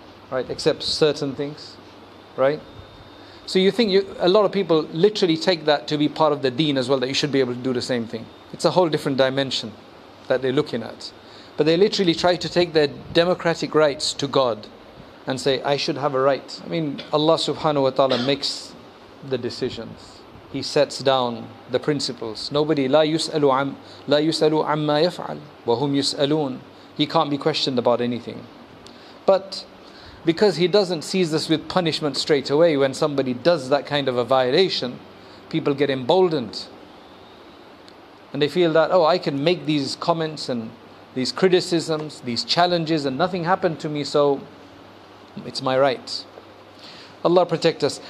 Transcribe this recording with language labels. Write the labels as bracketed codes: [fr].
[en] Right, except certain things, right? So you think a lot of people literally take that to be part of the deen as well, that you should be able to do the same thing. It's a whole different dimension that they're looking at. But they literally try to take their democratic rights to God and say, I should have a right. I mean, Allah subhanahu wa ta'ala makes the decisions. He sets down the principles. Nobody, [ar] لا يسألوا عما يفعل وهم يسألون. [en] He can't be questioned about anything. But because He doesn't seize us with punishment straight away, when somebody does that kind of a violation, people get emboldened. And they feel that, oh, I can make these comments and these criticisms, these challenges, and nothing happened to me, so it's my right. Allah protect us.